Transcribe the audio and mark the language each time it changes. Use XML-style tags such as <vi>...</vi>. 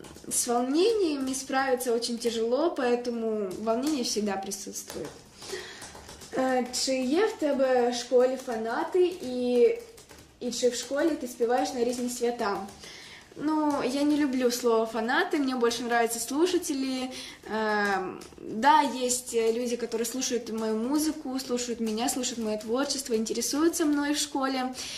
<ru>С волнениями справиться очень тяжело, поэтому волнение всегда присутствует.</ru> <uk>«Чи є в тебе в школі фанати, і чи в школі ти співаєш на різні свята?»</uk> <ru>Ну, я не люблю слово «фанаты», мне больше нравятся слушатели. Да, есть люди, которые слушают мою музыку, слушают меня, слушают мое творчество, интересуются мной в школе.</ru>